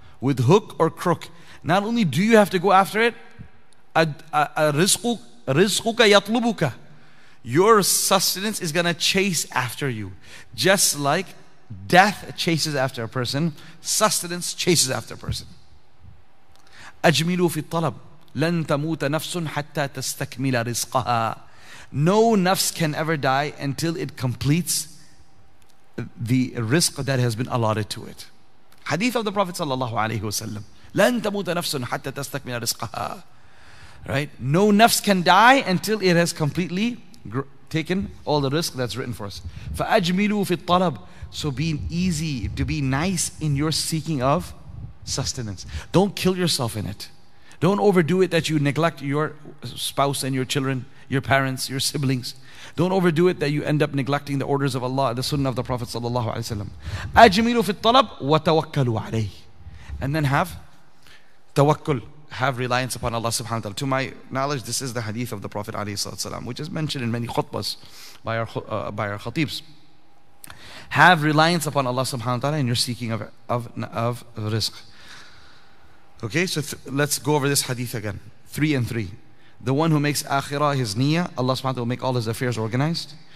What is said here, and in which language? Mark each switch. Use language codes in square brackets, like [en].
[en] With hook or crook. Not only do you have to go after it, [ar] rizquka yatlubuka. [en] Your sustenance is going to chase after you. Just like death chases after a person, sustenance chases after a person. [ar] أجملوا في الطلب لن تموت نفس حتى تستكمل رزقها. [en] No nafs can ever die until it completes the risk that has been allotted to it. Hadith of the Prophet sallallahu alayhi wa sallam. [ar] لن تموت نفس حتى تستكمل رزقها. [en] Right? No nafs can die until it has completely taken all the risk that's written for us. [ar] فأجملوا في الطلب. [en] So be easy, to be nice in your seeking of sustenance. Don't kill yourself in it. Don't overdo it that you neglect your spouse and your children, your parents, your siblings. Don't overdo it that you end up neglecting the orders of Allah, the sunnah of the Prophet sallallahu alaihi wasallam. [ar] أجملوا في الطلب وتوكلوا عليه. [en] And then have tawakkul. Have reliance upon Allah subhanahu wa ta'ala. To my knowledge, this is the hadith of the Prophet alayhi salatu salam, which is mentioned in many khutbas by our khatibs. Have reliance upon Allah subhanahu wa ta'ala in your seeking of rizq. Okay, so let's go over this hadith again. 3 and 3. The one who makes akhirah his niyyah, Allah subhanahu wa ta'ala will make all his affairs organized.